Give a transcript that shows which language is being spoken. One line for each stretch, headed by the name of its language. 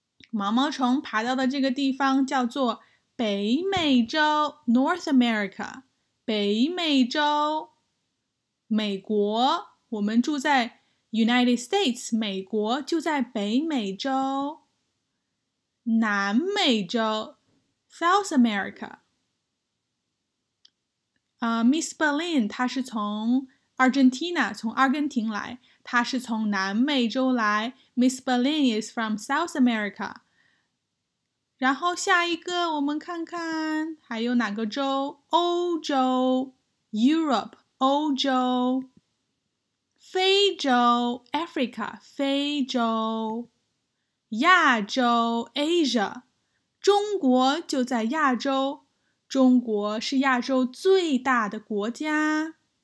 Chinese: 毛毛虫爬到的这个地方叫做北美洲 North America， 北美洲，美国。我们住在 United States， 美国就在北美洲。南美洲 South America。 Miss Berlin 她是从 Argentina， 从阿根廷来。他是从南美洲来 ，
English: Miss Berlin is from South America。
Chinese: 然后下一个，我们看看还有哪个洲？欧洲 ，Europe， 欧洲。非洲 ，Africa， 非洲。亚洲 ，Asia， 中国就在亚洲，中国是亚洲最大的国家。